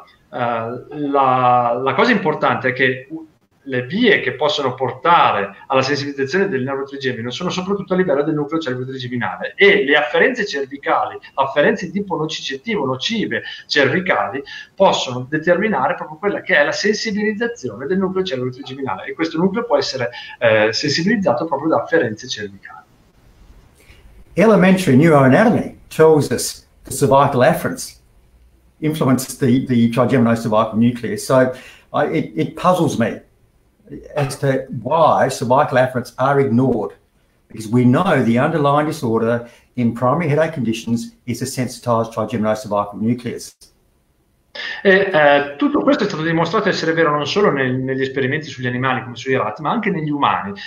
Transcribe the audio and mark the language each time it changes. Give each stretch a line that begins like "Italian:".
Italian: La cosa importante è che le vie che possono portare alla sensibilizzazione del nervo trigemino sono soprattutto a livello del nucleo cervico-trigeminale e le afferenze cervicali, afferenze tipo nocicettivo, nocive cervicali, possono determinare proprio quella che è la sensibilizzazione del nucleo cervico-trigeminale e questo nucleo può essere sensibilizzato proprio da afferenze cervicali.
English: Elementary neuroanatomy tells us the cervical afferents influence the trigeminocervical nucleus, so it puzzles me as to why cervical afferents are ignored, because we know the underlying disorder in primary headache conditions is a sensitized trigeminocervical nucleus.
Italian: Tutto questo è stato dimostrato essere vero non solo negli esperimenti sugli animali come sui ratti, ma anche negli umani.